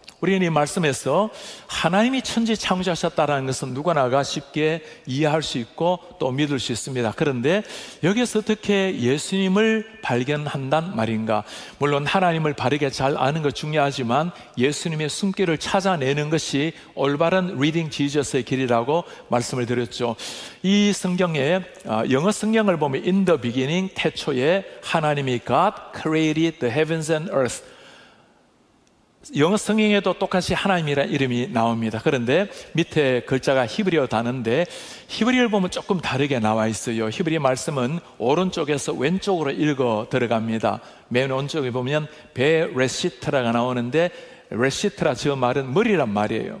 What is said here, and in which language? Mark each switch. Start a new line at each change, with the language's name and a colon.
Korean: 우리는 이 말씀에서 하나님이 천지 창조하셨다라는 것은 누구나가 쉽게 이해할 수 있고 또 믿을 수 있습니다. 그런데 여기서 어떻게 예수님을 발견한단 말인가? 물론 하나님을 바르게 잘 아는 것 중요하지만 예수님의 숨길을 찾아내는 것이 올바른 리딩 지저스의 길이라고 말씀을 드렸죠. 이 성경에 영어 성경을 보면
English: In the beginning,
Korean: 태초에 하나님이
English: God created the heavens and earth.
Korean: 영어 성경에도 똑같이 하나님이라는 이름이 나옵니다. 그런데 밑에 글자가 히브리어 단어인데 히브리어를 보면 조금 다르게 나와 있어요. 히브리 말씀은 오른쪽에서 왼쪽으로 읽어 들어갑니다. 맨 오른쪽에 보면 베레시트라가 나오는데 레시트라 저 말은 머리란 말이에요.